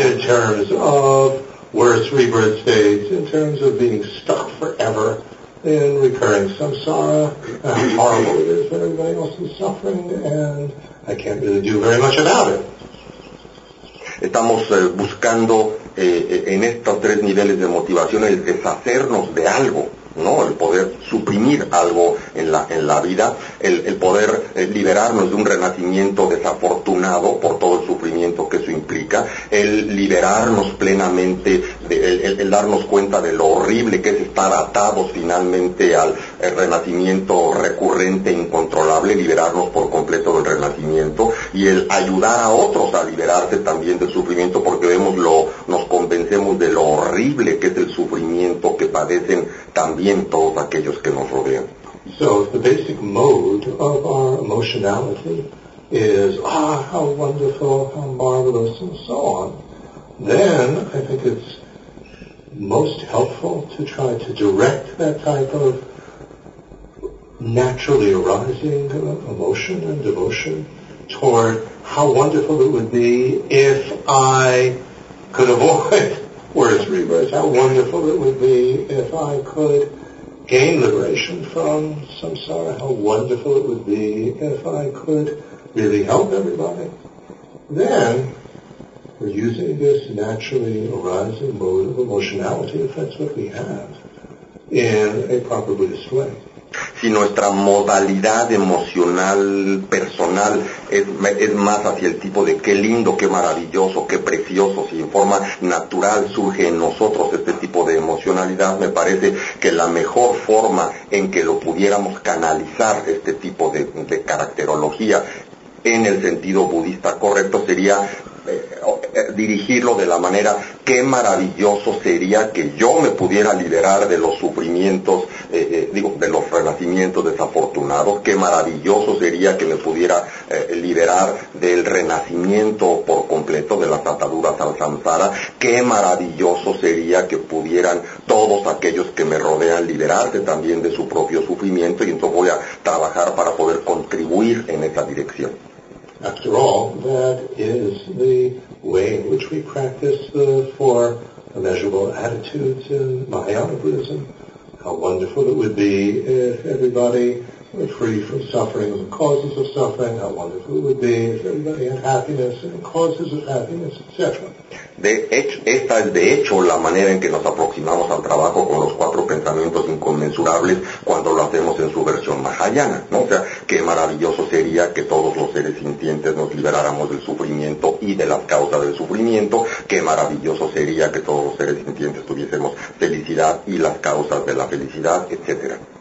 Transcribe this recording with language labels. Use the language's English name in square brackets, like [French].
[English] in terms of worse rebirth states, in terms of being stuck forever in recurring samsara, how horrible it is that everybody else is suffering, and I can't really do very much about it. [Spanish] Estamos buscando en estos tres niveles de motivación el deshacernos de algo, ¿no? El poder suprimir algo en la vida, el poder liberarnos de un renacimiento desafortunado por todo el sufrimiento que eso implica, el liberarnos plenamente, el darnos cuenta de lo horrible que es estar atados finalmente al renacimiento recurrente e incontrolable, liberarnos por completo del renacimiento, y el ayudar a otros a liberarse también del sufrimiento, porque vemos nos convencemos de lo horrible que es el sufrimiento que padecen también todos aquellos que nos rodean. [English] So if the basic mode of our emotionality is, how wonderful, how marvelous, and so on, then I think it's most helpful to try to direct that type of naturally arising emotion and devotion toward how wonderful it would be if I could avoid worse rebirth, how wonderful it would be if I could gain liberation from samsara, how wonderful it would be if I could really help everybody. Then, we're using this naturally arising mode of emotionality, if that's what we have, in a proper Buddhist way. [Spanish] Si nuestra modalidad emocional personal es más hacia el tipo de qué lindo, qué maravilloso, qué precioso, si en forma natural surge en nosotros este tipo de emocionalidad, me parece que la mejor forma en que lo pudiéramos canalizar, este tipo de caracterología en el sentido budista correcto, sería dirigirlo de la manera, qué maravilloso sería que yo me pudiera liberar de los sufrimientos, de los renacimientos desafortunados, qué maravilloso sería que me pudiera liberar del renacimiento por completo, de las ataduras al samsara, qué maravilloso sería que pudieran todos aquellos que me rodean liberarse también de su propio sufrimiento, y entonces voy a trabajar para poder contribuir en esa dirección. [English] After all, that is the way in which we practice the four immeasurable attitudes in Mahayana Buddhism. How wonderful it would be if everybody were free from suffering and the causes of suffering. How wonderful it would be if everybody had happiness and causes of happiness, etc. [Spanish] De hecho, esta es de hecho la manera en que nos aproximamos al trabajo con los cuatro pensamientos inconmensurables cuando lo hacemos en su versión mahayana, ¿no? O sea, qué maravilloso sería que todos los seres sintientes nos liberáramos del sufrimiento y de las causas del sufrimiento, qué maravilloso sería que todos los seres sintientes tuviésemos felicidad y las causas de la felicidad, etc.